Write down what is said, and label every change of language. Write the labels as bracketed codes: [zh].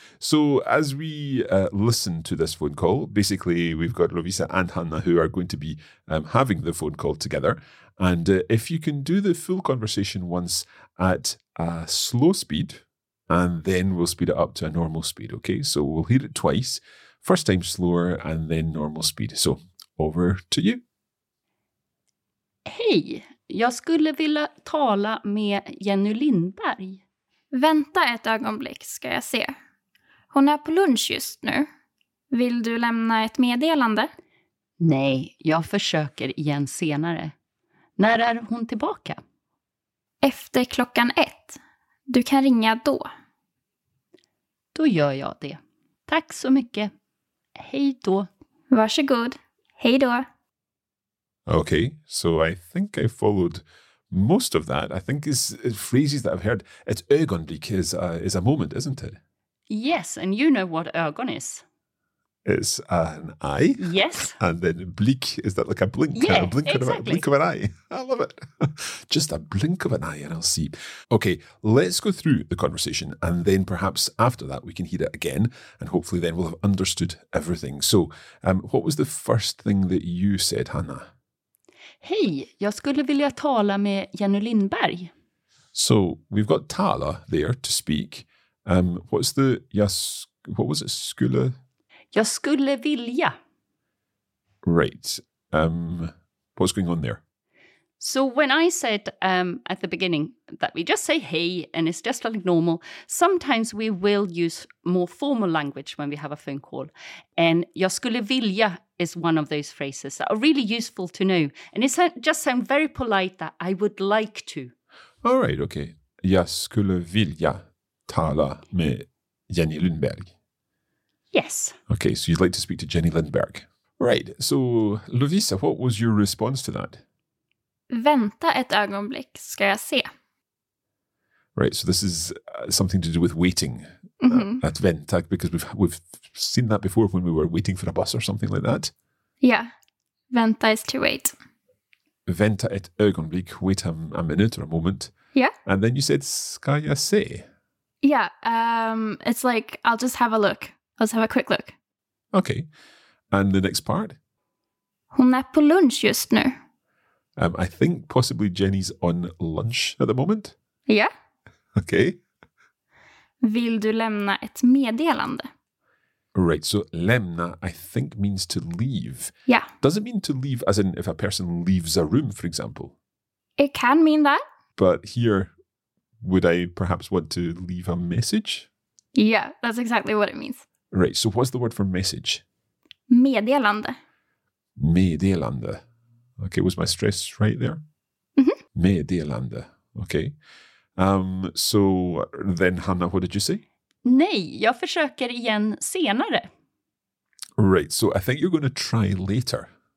[en] So as we listen to this phone call, basically we've got Lovisa and Hanna who are going to be having the phone call together. And if you can do the full conversation once at a slow speed, and then we'll speed it up to a normal speed. Okay. So we'll hear it twice. First time slower and then normal speed. So over to you. [sv] Hej, jag skulle vilja tala med Jenny Lindberg. Vänta ett ögonblick, ska jag se. Hon är på lunch just nu. Vill du lämna ett meddelande? Nej, jag försöker igen senare. När är hon tillbaka? Efter klockan 1. Du kan ringa då. Då gör jag det. Tack så mycket. Hej då. Varsågod. Hej då. [en] Okay, so I think I followed most of that. I think it's phrases that I've heard. [sv] Et ögonblick [en] is a moment, isn't it? Yes, and you know what ögon is. It's an eye. Yes. And then blick, is that like a blink? Yeah, a blink, exactly. Of a blink of an eye. I love it. Just a blink of an eye and I'll see. Okay, let's go through the conversation and then perhaps after that we can hear it again and hopefully then we'll have understood everything. So, what was the first thing that you said, Hannah? [sv] Hej, jag skulle vilja tala med Jenny Lindberg. [en] So, we've got tala there to speak. What's the, what was it, skulle? [sv] Jag skulle vilja. [en] Right. What's going on there? So when I said at the beginning that we just say hey and it's just like normal, sometimes we will use more formal language when we have a phone call. And [sv] jag skulle vilja [en] is one of those phrases that are really useful to know. And it just sounds very polite that I would like to. All right, okay. [sv] Jag skulle vilja tala med Jenny Lundberg. [en] Yes. Okay, so you'd like to speak to Jenny Lindberg. Right, so Lovisa, what was your response to that? [sv] Vänta ett ögonblick, ska jag se. [en] Right, so this is something to do with waiting. Mm-hmm. At vänta, because we've seen that before when we were waiting for a bus or something like that. Yeah, vänta is to wait. [sv] Vänta ett ögonblick, [en] wait a minute or a moment. Yeah. And then you said, [sv] ska jag se. [en] Yeah, it's like, I'll just have a look. Let's have a quick look. Okay. And the next part? [sv] Hon är på lunch just nu. [en] I think possibly Jenny's on lunch at the moment. Yeah. Okay. [sv] Vill du lämna ett meddelande? [en] Right. So lämna, I think, means to leave. Yeah. Does it mean to leave as in if a person leaves a room, for example? It can mean that. But here, would I perhaps want to leave a message? Yeah, that's exactly what it means. Right, so what's the word for message? [sv] Meddelande. Meddelande. [en] Okay, was my stress right there? Mm-hmm. [sv] Meddelande. Okay. [en] So then, Hannah, what did you say? [sv] Nej, jag försöker igen senare. [en] Right, so I think you're going to try later.